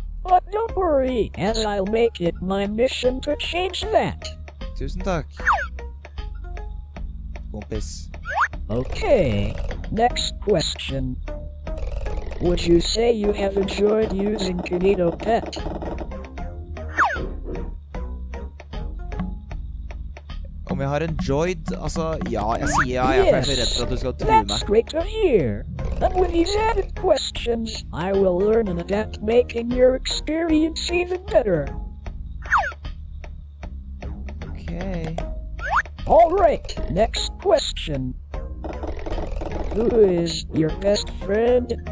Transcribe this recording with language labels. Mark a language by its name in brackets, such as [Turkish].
[English] But don't worry, as I'll make it my mission to change that. [Norwegian] Tusen takk. Kompis. [English] Okay, next question. Would you say you have enjoyed using Kenito Pet? [Norwegian] Om jeg har enjoyed, altså, ja, jeg sier ja, jeg er redd for at du skal true meg. [English] Yes, that's great to hear. But with these added questions, I will learn and adapt, making your experience even better. Okay. All right, next question. Who is your best friend?